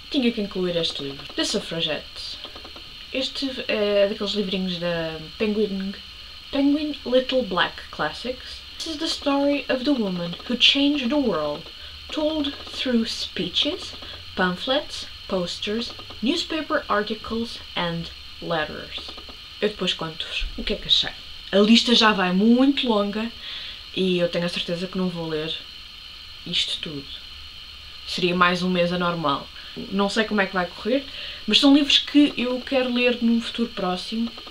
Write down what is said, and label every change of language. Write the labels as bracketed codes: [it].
[pt] Tinha que incluir este livro. The Suffragette. Este é daqueles livrinhos da Penguin Little Black Classics. [en] This is the story of the woman who changed the world, told through speeches, pamphlets, posters, newspaper articles and letters. [pt] Eu depois conto-vos o que é que achei. A lista já vai muito longa e eu tenho a certeza que não vou ler isto tudo. Seria mais um mês anormal. Não sei como é que vai correr, mas são livros que eu quero ler num futuro próximo.